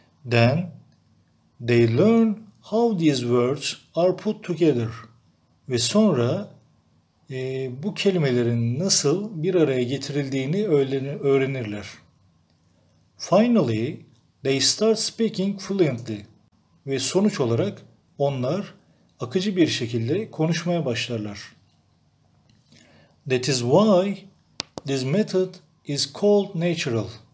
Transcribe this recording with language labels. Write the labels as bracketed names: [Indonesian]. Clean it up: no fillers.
[English] Then they learn how these words are put together. [Turkish] Ve sonra bu kelimelerin nasıl bir araya getirildiğini öğrenirler. [English] Finally, they start speaking fluently. [Turkish] Ve sonuç olarak onlar akıcı bir şekilde konuşmaya başlarlar. [English] That is why this method is called natural.